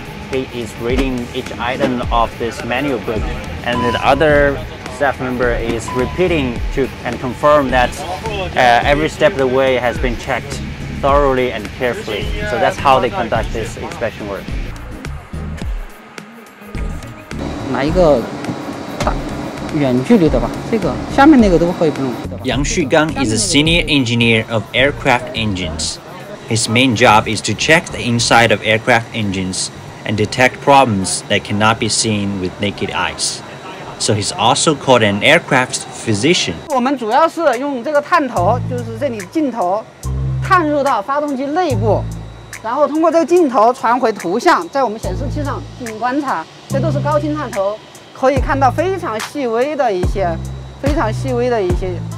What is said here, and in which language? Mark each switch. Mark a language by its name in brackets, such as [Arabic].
[English] He is reading each item of this manual book, and the other staff member is repeating to and confirm that every step of the way has been checked thoroughly and carefully. So that's how they conduct this inspection work. [Chinese] 拿一个大远距离的吧，这个下面那个都可以不用。 [English] 杨旭刚 is a senior engineer of aircraft engines. His main job is to check the inside of aircraft engines. And detect problems that cannot be seen with naked eyes. So he's also called an aircraft physician. [Chinese] 我们主要是用这个探头，就是这里镜头，探入到发动机内部，然后通过这个镜头传回图像，在我们显示器上进行观察。这都是高清探头，可以看到非常细微的一些，非常细微的一些。